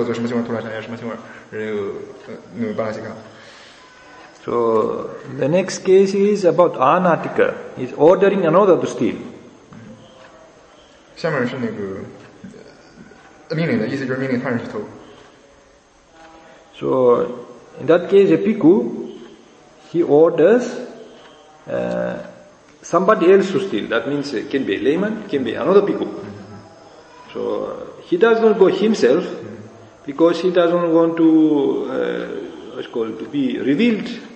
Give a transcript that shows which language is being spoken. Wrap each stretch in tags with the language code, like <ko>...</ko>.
<zh>所以说，如果你想判断这个，比方说这个亲手的话，第一法这个亲手的，它到底犯的是那个什么是恶作，是粗罪还是巴拉吉卡的话，你可以参考那个前面那个那个种种财务法的那个第五条，是什么情况恶作，什么情况拉吉卡，什么情况巴拉吉卡。</zh> <en>So the next case is about anatika, is ordering another to steal.</en> <zh>下面是那个命令的意思，就是命令他人去偷。</zh> <en>So in that case, a bhikkhu, he orders somebody else to steal. That means it can be a layman, can be another bhikkhu. So he does not go himself because he doesn't want to, what's called, to be revealed.</en>